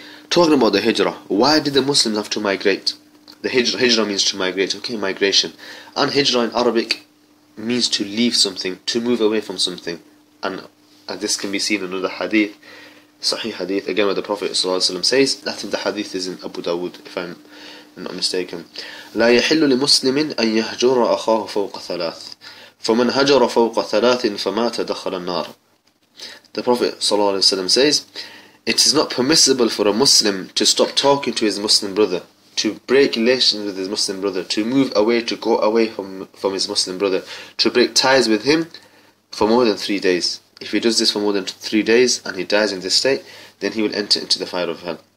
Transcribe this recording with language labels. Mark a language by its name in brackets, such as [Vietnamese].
[English] Talking about the Hijrah, why did the Muslims have to migrate? The Hijrah means to migrate, okay, migration. And Hijrah in Arabic means to leave something, to move away from something. And this can be seen in another hadith, Sahih hadith, again where the Prophet ﷺ says, I think the hadith is in Abu Dawood, if I'm not mistaken. [Arabic] لا يحل لمسلم أن يهجر أخاه فوق ثلاث فمن هجر فوق ثلاث فمات دخل النار. [English] The Prophet ﷺ says, it is not permissible for a Muslim to stop talking to his Muslim brother, to break relations with his Muslim brother, to move away, to go away from his Muslim brother, to break ties with him for more than 3 days. If he does this for more than 3 days and he dies in this state, then he will enter into the fire of hell.